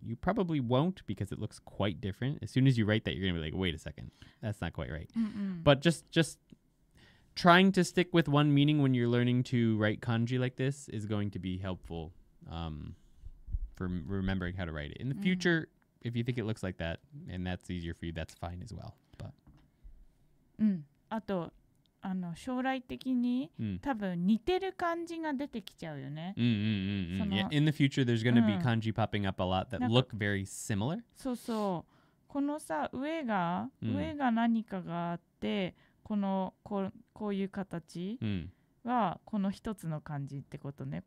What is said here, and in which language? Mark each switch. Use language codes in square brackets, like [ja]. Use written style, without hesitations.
[en] You probably won't, because it looks quite different. As soon as you write that, you're going to be like, wait a second, that's not quite right. But just trying to stick with one meaning when you're learning to write kanji like this is going to be helpful for remembering how to write it. In the future, if you think it looks like that and that's easier for you, that's fine as well. But [ja] あと将来的に多分似てる漢字が出てきちゃうよね。 [en] Yeah. In the future, there's going to be kanji popping up a lot that look very similar. [ja] そうそう。このさ、上が何かがあって、このこういう形はこの一つの漢字ってことね。